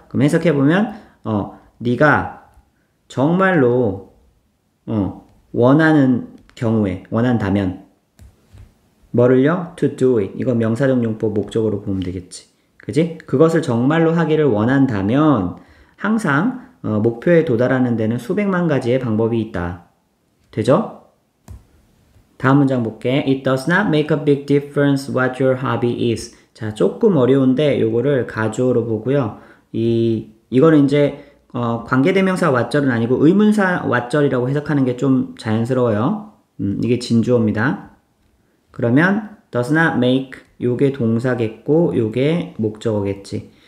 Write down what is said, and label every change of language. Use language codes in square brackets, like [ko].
[ko] 그럼 해석해보면, 네가 정말로 원하는 경우에, 원한다면 뭐를요? [en] To do it. [ko] 이건 명사적 용법 목적으로 보면 되겠지. 그지? 그것을 정말로 하기를 원한다면 항상 목표에 도달하는 데는 수백만 가지의 방법이 있다. 되죠? 다음 문장 볼게. [en] It does not make a big difference what your hobby is. [ko] 자, 조금 어려운데 요거를 가주어로 보고요. 이거는 이제 관계대명사 왓절은 아니고 의문사 왓절이라고 해석하는 게좀 자연스러워요. 이게 진주어입니다. 그러면 does not make 요게 동사겠고 요게 목적어겠지.